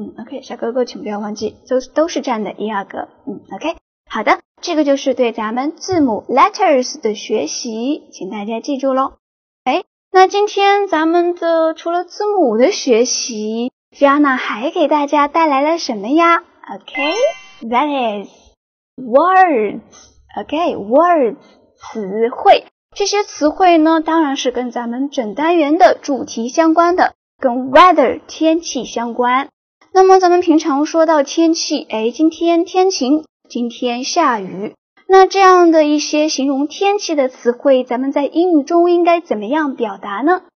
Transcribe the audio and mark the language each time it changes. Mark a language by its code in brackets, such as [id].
[zh] OK, 小勾勾请不要忘记，都是占的一二个。OK, 好的，这个就是对咱们字母 letters 的学习，请大家记住咯。那今天咱们的除了字母的学习， Fiona 还给大家带来了什么呀？ [en] OK, that is words, OK, words, 词汇。 [zh] 这些词汇呢当然是跟咱们整单元的主题相关的，跟 weather 天气相关。那么咱们平常说到天气，今天天晴，今天下雨，那这样的一些形容天气的词汇咱们在英语中应该怎么样表达呢？